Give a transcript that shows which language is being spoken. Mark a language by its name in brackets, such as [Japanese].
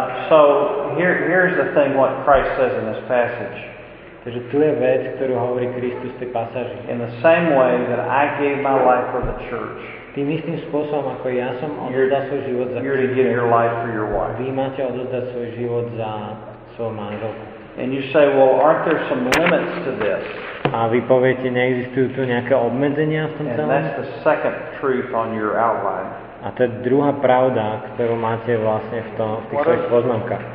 [English] So here's the thing what Christ says in this passage. [Slovak] Takže tu je vec, ktorú hovorí Kristus v tej pasáži. [English] In the same way that I gave my life for the church. [Slovak] Tým istým spôsobom, ako ja som odozdal svoj život za [English] you're to give your life for your wife. [Slovak] Vy máte odozdať svoj život za svoju manželku. [English] And you say, well, aren't there some limits to this? [Slovak] A vy poviete, neexistujú tu nejaké obmedzenia v tom celom? [English] And that's the second truth on your outline. [Slovak] A to je druhá pravda, ktorú máte vlastne v tých svojich poznámkach.